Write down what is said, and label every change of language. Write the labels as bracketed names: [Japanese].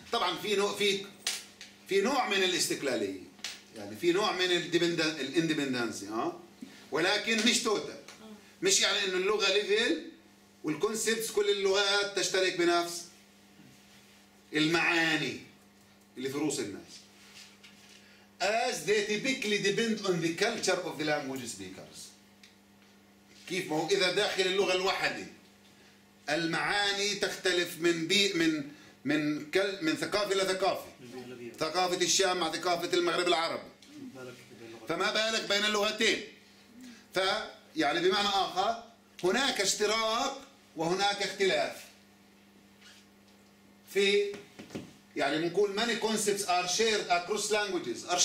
[Arabic] طبعا في نوع من الاستقلالية، يعني في نوع من الاندبندنسي، ولكن مش total. مش يعني انه اللغة level والconcepts كل اللغات تشترك بنفس المعاني اللي في رؤوس الناس. [English] As they typically depend on the culture of the language speakers. [Arabic] كيف ما هو اذا داخل اللغه الواحده المعاني تختلف من بيئ من من كل من ثقافه لثقافه، ثقافه الشام مع ثقافه المغرب العربي، فما بالك بين اللغتين. فيعني بمعنى اخر هناك اشتراك وهناك اختلاف في، يعني بنقول [English] many concepts are shared across languages.